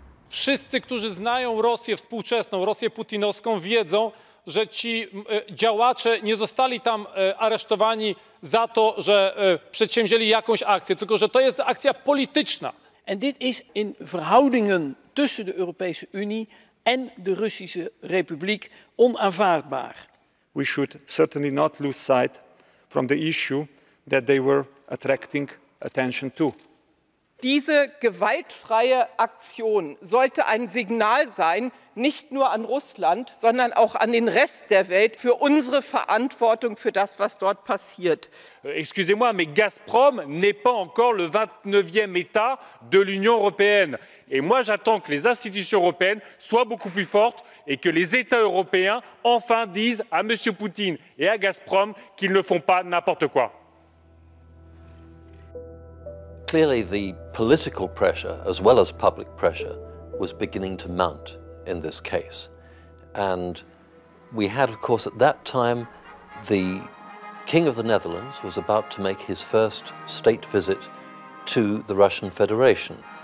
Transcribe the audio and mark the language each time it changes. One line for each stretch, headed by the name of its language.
Polish: Wszyscy, którzy znają Rosję współczesną, Rosję putinowską, wiedzą, że ci działacze nie zostali tam aresztowani za to, że przedsięwzięli jakąś akcję, tylko że to jest akcja polityczna.
English: And this is in
Dutch: verhoudingen tussen de Europese Unie en de Russische Republiek onaanvaardbaar.
English: We should certainly not lose sight from the issue that they were attracting attention to.
German: Diese gewaltfreie Aktion sollte ein Signal sein, nicht nur an Russland, sondern auch an den Rest der Welt, für unsere Verantwortung für das, was dort passiert.
French: Excusez-moi, mais Gazprom n'est pas encore le 29e État de l'Union européenne. Et moi, j'attends que les institutions européennes soient beaucoup plus fortes et que les États européens enfin disent à Monsieur Poutine et à Gazprom qu'ils ne font pas n'importe quoi.
English: Clearly, the political pressure, as well as public pressure, was beginning to mount in this case. And we had, of course, at that time, the King of the Netherlands was about to make his first state visit to the Russian Federation.